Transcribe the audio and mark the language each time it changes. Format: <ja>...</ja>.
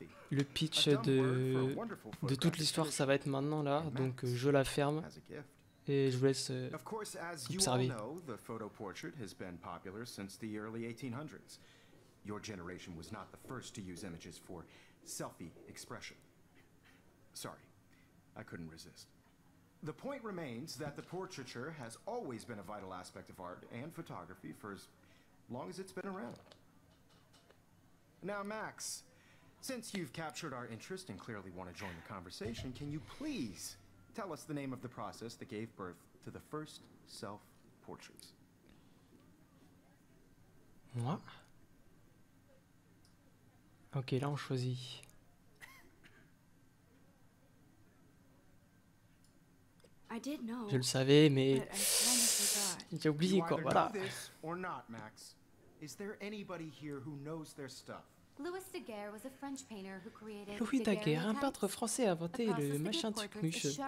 <fr>Le pitch de toute l'histoire, ça va être maintenant là, donc je la ferme et je vous laisse observer.</fr> <en>The photo portrait has been popular since the early 1800s. Your generation was not the first to use images for selfie expression. Sorry, I couldn't resist. The point remains that the portraiture has always been a vital aspect of art and photography for as long as it's been around. Now, Max. Since you've captured our interest and clearly want to join the conversation, can you please tell us the name of the process that gave birth to the first self-portraits?</en> <fr>Moi? Ok, là on choisit.</fr> <en>I did know,</en> <fr>je le savais, mais j'ai oublié quoi, voilà.</fr> <en>This or not, Max. Is there anybody here who knows their stuff?</en> <fr>Louis Daguerre, un peintre français, a inventé le machin truc mûche.</fr>